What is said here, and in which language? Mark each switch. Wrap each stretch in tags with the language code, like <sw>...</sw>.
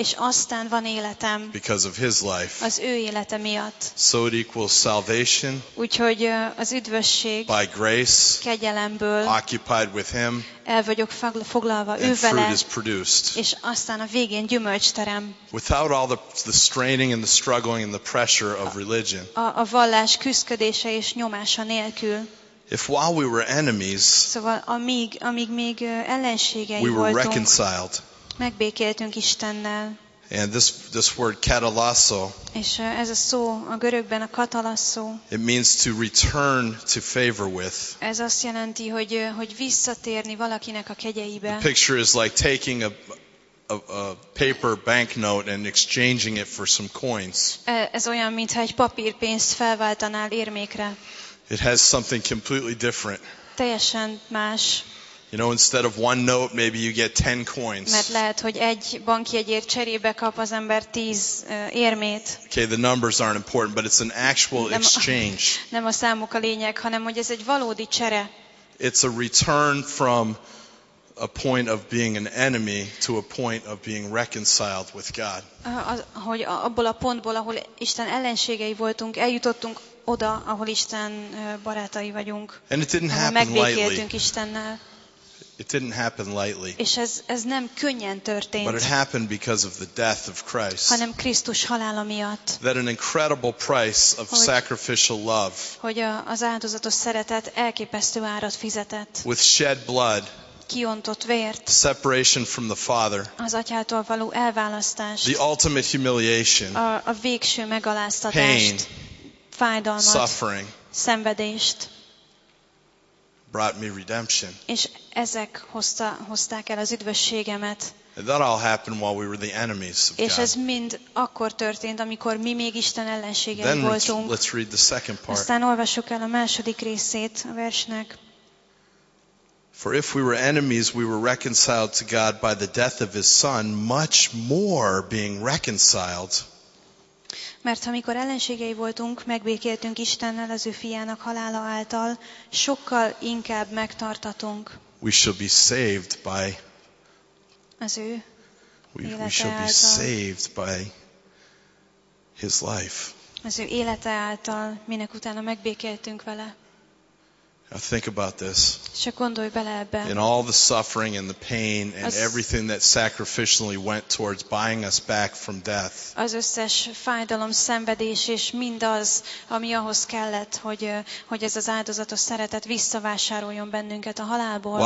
<hu>és aztán van életem</hu> <en>because of his life,</en> <hu>az ő élete miatt.</hu> <en>So it equals salvation,</en> <hu>úgyhogy az üdvösség</hu> <en>by grace,</en> <hu>kegyelemből,</hu> <en>occupied with him,</en> <hu>el vagyok foglalva</hu> <en>and</en> <hu>ő vele,</hu> <en>fruit is produced,</en> <hu>és aztán a végén gyümölcs terem.</hu> <en>Without all the straining and the struggling and the pressure of religion,</en> <hu>a vallás küszködése és nyomása nélkül.</hu> <en>If while we were enemies,</en> <hu>szóval amíg még ellenségei</hu> <en>we were</en> <hu>voltunk, megbékéltünk Istennel.</hu> <en>And this word katalasso,</en> <hu>és ez a szó a görögben a katalasso,</hu> <en>it means to return to favor with.</en> <hu>Ez azt jelenti, hogy visszatérni valakinek a kegyeibe.</hu> <en>The picture is like taking a paper banknote and exchanging it for some coins.</en> <hu>Ez olyan, mintha egy papírpénzt felváltanál érmékre.</hu> <en>It has something completely different.</en> <hu>Teljesen más.</hu> <en>You know, instead of one note, maybe you get 10 coins.</en> <hu>Mert lehet, hogy egy bankjegyért cserébe kap az ember 10 érmét.</hu> <en>Okay, the numbers aren't important, but it's an actual exchange.</en> <hu>Nem a számok a lényeg, hanem hogy ez egy valódi csere.</hu> <en>It's a return from a point of being an enemy to a point of being reconciled with God.</en> <hu>Hogy abból a pontból, ahol Isten ellenségei voltunk, eljutottunk oda, ahol Isten barátai vagyunk.</hu> <en>And it didn't happen</en> <hu>megbékéltünk Istennel.</hu> <en>It didn't happen lightly.</en> <hu>És ez nem könnyen történt.</hu> <en>But it happened because of the death of Christ.</en> <hu>Hanem Krisztus halála miatt.</hu> <en>That an incredible price of sacrificial love.</en> <hu>Hogy az áldozatos szeretet elképesztő árat fizetett.</hu> <en>With shed blood.</en> <hu>kiontott vért,</hu> <en>separation from the Father,</en> <hu>az atyától való elválasztást,</hu> <en>the ultimate humiliation,</en> <hu>a végső megaláztatást,</hu> <en>pain,</en> <hu>fájdalmat,</hu> <en>suffering,</en> <hu>szenvedést,</hu> <en>brought me redemption.</en> <hu>És ezek hozták el az üdvösségemet.</hu> <en>And that all happened while we were the enemies of God.</en> <hu>És ez mind akkor történt, amikor mi még Isten ellenségei</hu> <en>then</en> <hu>voltunk.</hu> <en>Let's read the second part.</en> <hu>Aztán olvassuk el a második részét a versnek.</hu> <en>For if we were enemies, we were reconciled to God by the death of His Son, much more being reconciled.</en> <hu>Mert amikor ellenségei voltunk, megbékéltünk Istennel az ő fiának halála által, sokkal inkább megtartatunk.</hu> <en>We shall be saved by</en> <hu>az ő</hu> <en>we shall be saved by His life.</en> <hu>Az ő élete által, minek utána megbékéltünk vele.</hu> <en>Now think about this.</en> <hu>Csak gondolj bele ebbe.</hu> <en>In all the suffering and the pain and everything that sacrificially went towards buying us back from death.</en> <hu>Az összes fájdalom, szenvedés és mindaz, ami ahhoz kellett, hogy ez az áldozatos szeretet visszavásároljon bennünket a halálból.</hu>